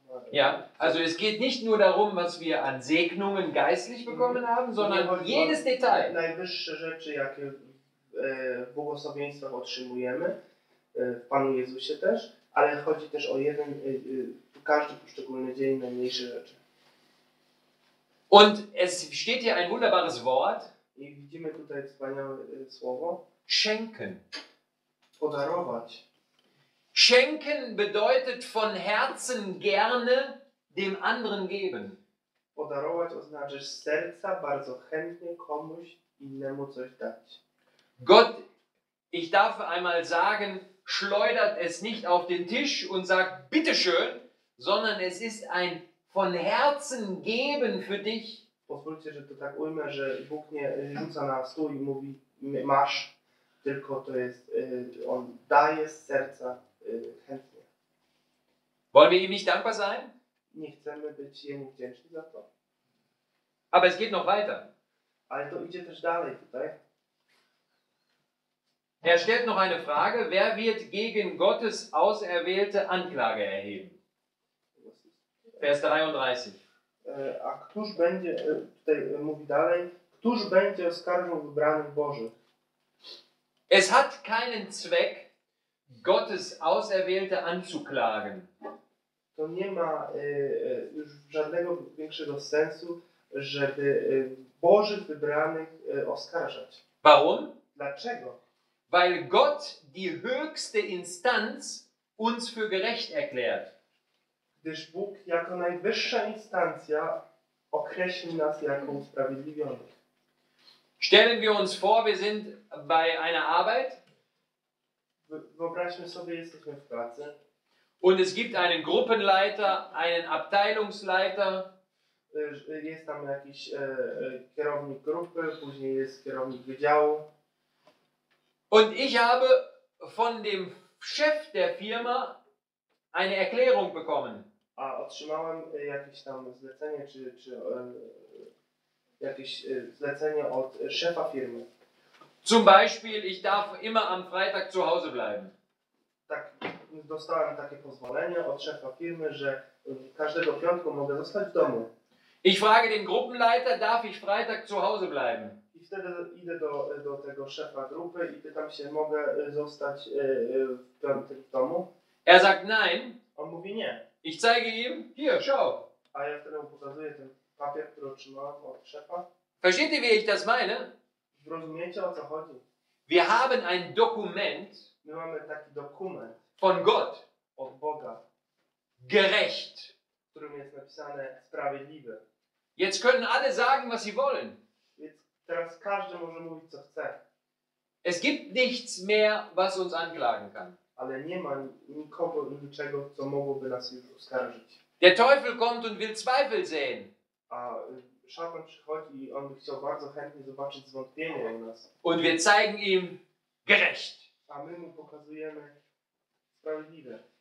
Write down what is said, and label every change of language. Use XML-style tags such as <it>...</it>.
<de>Ja, also es geht nicht nur darum, was wir an Segnungen geistlich bekommen haben, sondern jedes Detail.</de> <pl>Najwyższe rzeczy, jakie w błogosławieństwach otrzymujemy, w Panu Jezusie też, ale chodzi też o jeden, każdy poszczególny dzień, najmniejsze rzeczy.</pl> <de>Und es steht hier ein wunderbares Wort.</de> <pl>I widzimy tutaj wspaniałe słowo.</pl> <de>Schenken.</de> <pl>Podarować.</pl> <de>Schenken bedeutet von Herzen gerne dem anderen geben.</de> <pl>Podarować oznacza, że serca bardzo chętnie komuś innemu coś dać.</pl> <de>Gott, ich darf einmal sagen, schleudert es nicht auf den Tisch und sagt, bitteschön, sondern es ist ein von Herzen geben für dich.</de> <pl>Pozwólcie, że to tak ujmę, że Bóg nie rzuca na stół i mówi, masz, tylko to jest, on daje z serca.</pl> <de>Wollen wir ihm nicht dankbar sein?</de> <pl>Nie chcemy być jemu wdzięczni za to.</pl> <de>Aber es geht noch weiter.</de> <pl>Ale to idzie też dalej tutaj.</pl> <de>Er stellt noch eine Frage, wer wird gegen Gottes Auserwählte Anklage erheben? Vers 33.</de> <pl>A któż będzie, tutaj mówi dalej, któż będzie oskarżał wybranych Bożych?</pl> <de>Es hat keinen Zweck, Gottes Auserwählte anzuklagen.</de> <pl>To nie ma już żadnego większego sensu, żeby Bożych wybranych oskarżać.</pl> <de>Warum?</de> <pl>Dlaczego?</pl> <de>Weil Gott die höchste Instanz uns für gerecht erklärt.</de> <pl>Gdyż Bóg jako najwyższa instancja określi nas jako usprawiedliwionych.</pl> <de>Stellen wir uns vor, wir sind bei einer Arbeit.</de> <pl>Wyobraźmy sobie, jesteśmy w pracy.</pl> <de>Und es gibt einen Gruppenleiter, einen Abteilungsleiter.</de> <pl>Jest tam jakiś kierownik grupy, później jest kierownik wydziału.</pl> <de>Und ich habe von dem Chef der Firma eine Erklärung bekommen.</de> <pl>A otrzymałem jakieś tam zlecenie, czy jakieś zlecenie od szefa firmy.</pl> <de>Zum Beispiel, ich darf immer am Freitag zu Hause bleiben.</de> <pl>Tak, dostałem takie pozwolenie od szefa firmy, że każdego piątku mogę zostać w domu.</pl> <de>Ich frage den Gruppenleiter, darf ich Freitag zu Hause bleiben?</de> <pl>I wtedy idę do tego szefa grupy i pytam się, mogę zostać w piątek w domu?</pl> <de>Er sagt nein.</de> <pl>On mówi nie.</pl> <de>Ich zeige ihm, hier, schau.</de> <pl>A ja wtedy mu pokazuję ten papier, który otrzymałem od szefa.</pl> <de>Versteht ihr, wie ich das meine?</de> <pl>Rozumiecie, o co chodzi?</pl> <de>Wir haben ein Dokument.</de> <pl>My mamy taki dokument.</pl> <de>Von Gott.</de> <pl>Od Boga.</pl> <de>Gerecht.</de> <pl>W którym jest napisane sprawiedliwe.</pl> <de>Jetzt können alle sagen, was sie wollen.</de> <pl>Jetzt, teraz każdy może mówić, co chce.</pl> <de>Es gibt nichts mehr, was uns anklagen kann.</de> <pl>Ale nie ma nikogo i niczego, co mogłoby nas już oskarżyć.</pl> <de>Der Teufel kommt und will Zweifel sehen.</de> <pl>A szatan przychodzi i on by chciał bardzo chętnie zobaczyć zwątpienie u nas.</pl> <de>Und wir zeigen ihm gerecht.</de> <pl>A my mu pokazujemy sprawiedliwe.</pl>